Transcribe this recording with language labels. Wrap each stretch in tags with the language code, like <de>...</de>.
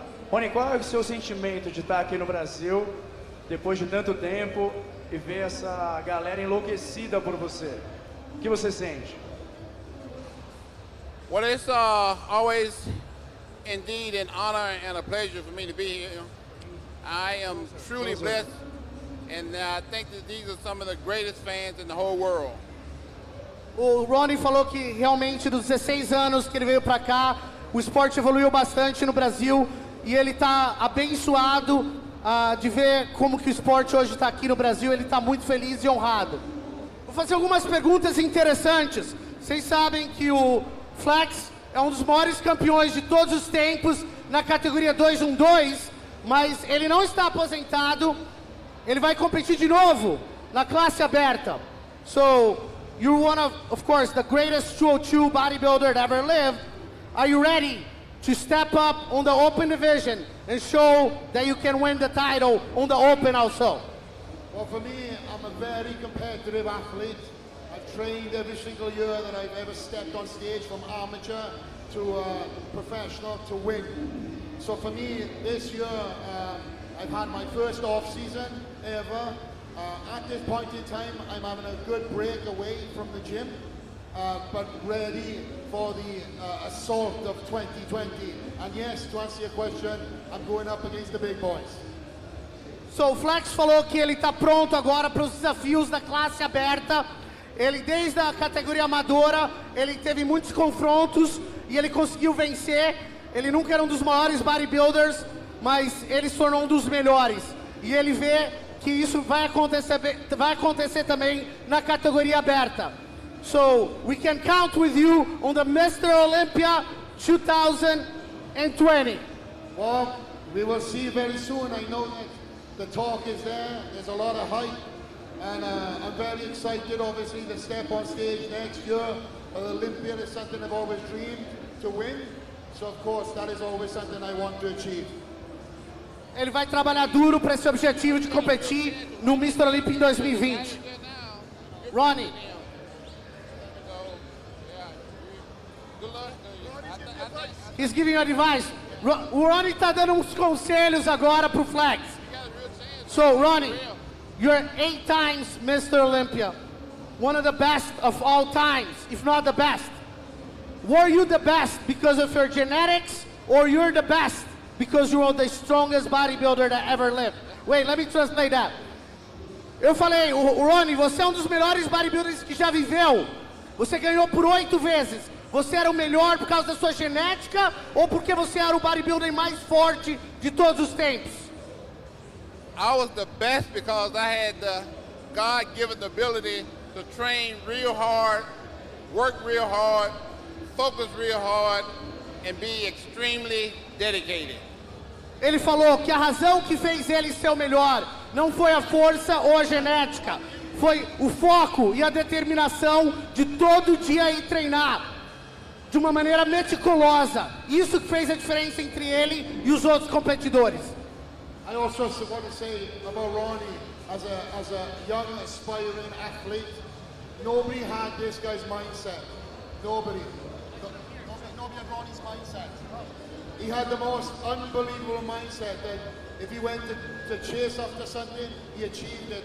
<pt>Ronnie, qual é o seu sentimento de estar aqui no Brasil, depois de tanto tempo, e ver essa galera enlouquecida por você? O que você sente?</pt> <en>Well, it's always indeed an honor and a pleasure for me to be here. I am truly blessed, and I think that these are some of the greatest fans in the whole world.</en> <pt>O Ronnie falou que realmente dos 16 anos que ele veio para cá, o esporte evoluiu bastante no Brasil e ele está abençoado de ver como que o esporte hoje está aqui no Brasil. Ele está muito feliz e honrado. Vou fazer algumas perguntas interessantes. Vocês sabem que o Flex é um dos maiores campeões de todos os tempos na categoria 212, mas ele não está aposentado. Ele vai competir de novo na classe aberta.</pt> <en>So, you're one of course, the greatest 202 bodybuilder that ever lived. Are you ready to step up on the open division and show that you can win the title on the open also? Well, for me, I'm a very competitive athlete. I've trained every single year that I've ever stepped on stage from amateur to professional to win. So for me, this year, I've had my first off season ever. At this point in time, I'm having a good break away from the gym, but ready for the assault of 2020. And yes, to answer your question, I'm going up against the big boys.</en> <pt>So, Flex falou que ele está pronto agora para os desafios da classe aberta. Ele, desde a categoria amadora, ele teve muitos confrontos e ele conseguiu vencer. Ele nunca era um dos maiores bodybuilders, mas ele se tornou um dos melhores. E ele vê que isso vai acontecer também na categoria aberta.</pt> <en>So, we can count with you on the Mr. Olympia 2020. Well, we will see very soon. I know that the talk is there. There's a lot of hype. And I'm very excited, obviously, to step on stage next year. The Olympia is something I've always dreamed to win. So, of course, that is always something I want to achieve.</en> <pt>Ele vai trabalhar duro para esse objetivo de competir no Mr. Olympia em 2020. Ronnie.</pt> <en>He's giving you advice.</en> <pt>O Ronnie está dando uns conselhos agora para o Flex.</pt> <en>So, Ronnie, you're 8 times Mr. Olympia. One of the best of all times, if not the best. Were you the best because of your genetics, or you're the best because you are the strongest bodybuilder that ever lived? Wait, let me translate that.</en> <pt>Eu falei, Ronnie, você é um dos melhores bodybuilders que já viveu. Você ganhou por 8 vezes. Você era o melhor por causa da sua genética ou porque você era o bodybuilder mais forte de todos os tempos?</pt> <en>I was the best because I had the God-given ability to train real hard, work real hard, focus real hard, and be extremely dedicated.</en> <pt>Ele falou que a razão que fez ele ser o melhor não foi a força ou a genética, foi o foco e a determinação de todo dia ir treinar de uma maneira meticulosa. Isso que fez a diferença entre ele e os outros competidores.</pt> <en>I also want to say about Ronnie, as a young aspiring athlete, nobody had this guy's mindset. Nobody. Nobody had Ronnie's mindset. He had the most unbelievable mindset that if he went to chase after something, he achieved it.</en>